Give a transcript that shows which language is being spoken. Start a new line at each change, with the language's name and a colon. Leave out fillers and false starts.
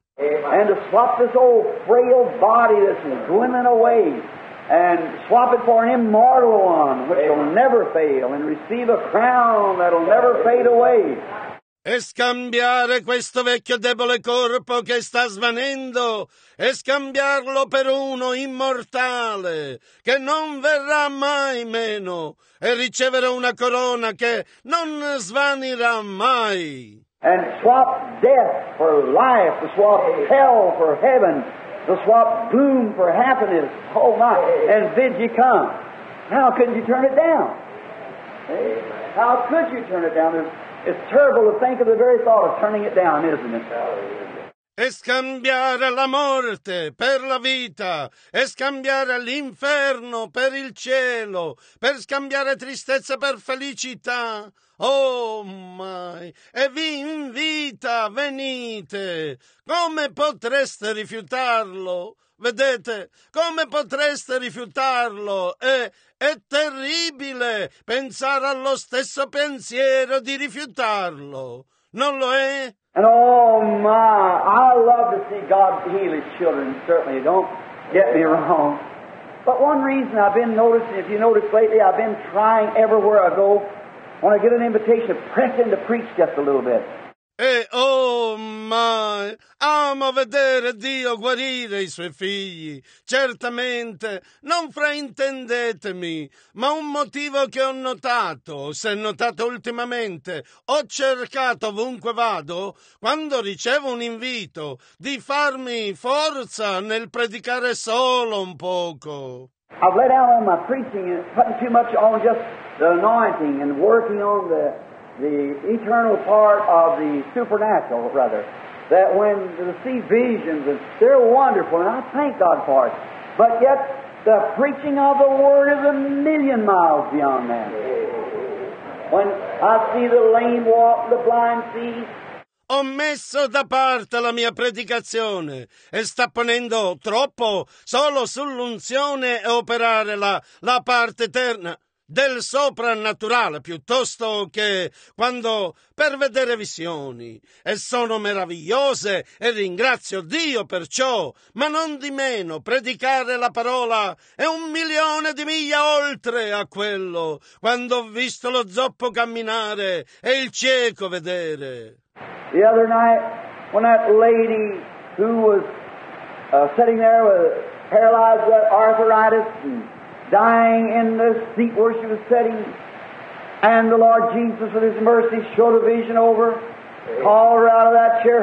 English: And to swap this old frail body that's dwindling away and swap it for an immortal one which will never fail and receive a crown that'll never fade away.
Italian: E scambiare questo vecchio debole corpo che sta svanendo e scambiarlo per uno immortale che non verrà mai meno e ricevere una corona che non svanirà mai.
English: And swap death for life, to swap hell for heaven, to swap gloom for happiness. Oh my, and bid you come. How could you turn it down? How could you turn it down? It's terrible to think of the very thought of turning it down, isn't it?
Italian: E scambiare la morte per la vita, e scambiare l'inferno per il cielo, per scambiare tristezza per felicità.
English: Oh my!
Italian: E vi invita, venite! Come potreste rifiutarlo? Vedete, come potreste rifiutarlo? È terribile pensare allo stesso pensiero di rifiutarlo. Non lo è?
English: And oh my, I love to see God heal His children, certainly. Don't get me wrong. But one reason I've been noticing, if you notice lately, I've been trying everywhere I go, when I get an invitation, to press in to preach just a little bit.
Italian: E
English: oh my,
Italian: amo vedere Dio guarire i suoi figli. Certamente, non fraintendetemi, ma un motivo che ho notato, se notato ultimamente, ho cercato ovunque vado, quando ricevo un invito, di farmi forza nel predicare solo un poco.
English: I've let out on my preaching and putting too much on just the anointing and working on the eternal part of the supernatural, rather, that when you see visions, they're wonderful, and I thank God for it. But yet, the preaching of the Word is a million miles beyond that. When I see the lame walk, the blind see.
Italian: Ho messo da parte la mia predicazione e sta ponendo troppo solo sull'unzione e operare la parte eterna del soprannaturale, piuttosto che quando per vedere visioni, e sono meravigliose e ringrazio Dio per ciò, ma non di meno predicare la parola è un milione di miglia oltre a quello, quando ho visto lo zoppo camminare e il cieco vedere.
English: The other night, when that lady who was sitting there with paralyzed with arthritis and dying in the seat where she was sitting, and the Lord Jesus with His mercy showed a vision over, called her out of that chair.